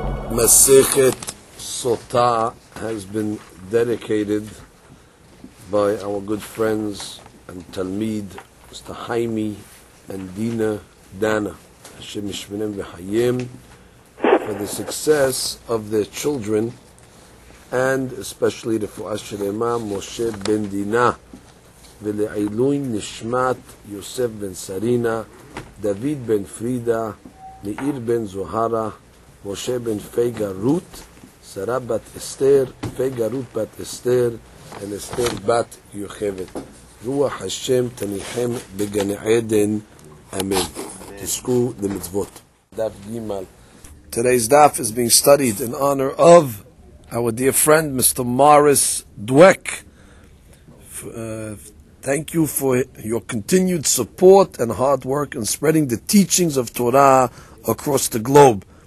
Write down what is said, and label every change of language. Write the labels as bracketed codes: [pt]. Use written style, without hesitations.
[en] Masechet Sota has been dedicated by our good friends and Talmid, Mr. Haimi and Dina Dana, Hashem Yishmonem V'Chayim, for the success of their children, and especially the Fu'as Shelema Moshe Ben Dina, [he] ולעילוי נשמת יוסף בן סרינה, דוד בן פרידה, נעיר בן זוהרה, משה בן פייגה רות, שרה בת אסתר, פייגה רות בת אסתר, אל אסתר בת יוכבת. רוח השם תניחם בגן עדן, אמן. תזכו למצוות. דף גימל. [en] Today's daf is being studied in honor of our dear friend, Mr. Morris Dweck. Thank you for your continued support and hard work in spreading the teachings of Torah across the globe.